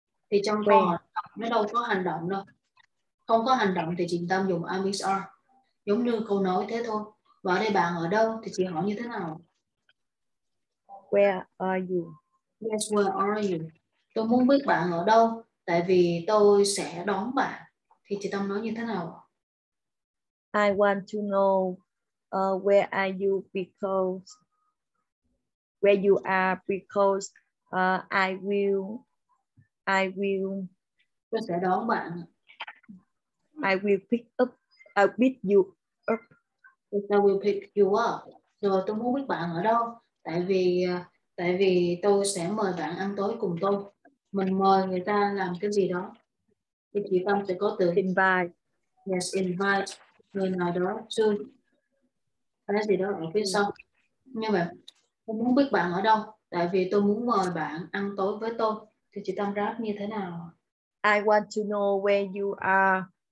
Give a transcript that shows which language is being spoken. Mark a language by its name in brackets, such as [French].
[Vietnamese] Thì trong câu hỏi nó đâu có hành động đâu. Không có hành động thì chị Tâm dùng am is are. Giống như câu nói thế thôi. Và ở đây bạn ở đâu thì chị hỏi như thế nào? [English] Where are you? Yes, where are you? [Vietnamese] Tôi muốn biết bạn ở đâu. Tại vì tôi sẽ đón bạn. Thì chị Tâm nói như thế nào? [English] I want to know where are you because where you are because I will [Vietnamese] tôi sẽ đón bạn. [English] I will pick up, I'll beat you up. I will pick you up. [Vietnamese] Rồi tôi muốn biết bạn ở đâu. Tại vì tôi sẽ mời bạn ăn tối cùng tôi. Mình mời người ta làm cái gì đó. Thì chị Tâm sẽ có từ [English] invite. [Vietnamese] Yes, invite người nào đó soon. Cái gì đó ở phía sau. Như vậy, tôi muốn biết bạn ở đâu. Tại vì tôi muốn mời bạn ăn tối với tôi. Thì chị Tâm rap như thế nào? [English] I want to know where you are.